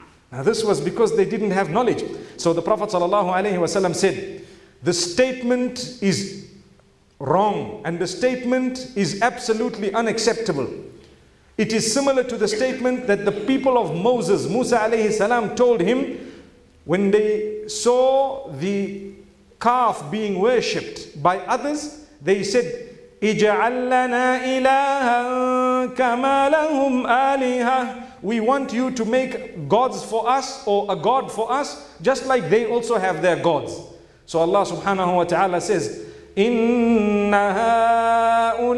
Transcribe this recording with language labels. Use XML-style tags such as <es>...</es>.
<en>Now this was because they didn't have knowledge. So the Prophet sallallahu alaihi wasallam said, the statement is wrong and the statement is absolutely unacceptable. It is similar to the statement that the people of Moses, Musa alayhi salam, told him when they saw the calf being worshipped by others. They said,</en> <ar>اجعل لنا إلها كما لهم آلهة.</ar> <en>We want you to make gods for us, or a god for us, just like they also have their gods. So Allah subhanahu wa ta'ala says,</en> <ar>إِنَّ هَؤُلَاءِ</ar>